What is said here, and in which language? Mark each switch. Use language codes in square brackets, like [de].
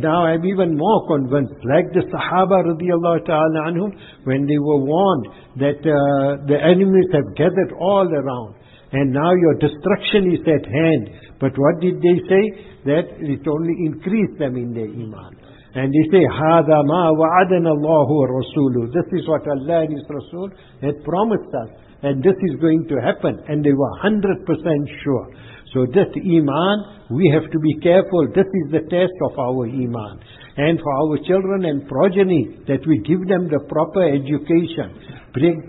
[en] Now I am even more convinced. Like the Sahaba radiallahu ta'ala anhum, when they were warned that the enemies have gathered all around. And now your destruction is at hand. But what did they say? That it only increased them in their iman. And they say, [ar] هَذَا مَا وَعَدَنَ اللَّهُ وَرَسُولُهُ. [en] This is what Allah and His Rasul had promised us. And this is going to happen. And they were 100% sure. So this iman, we have to be careful. This is the test of our iman. And for our children and progeny, that we give them the proper education.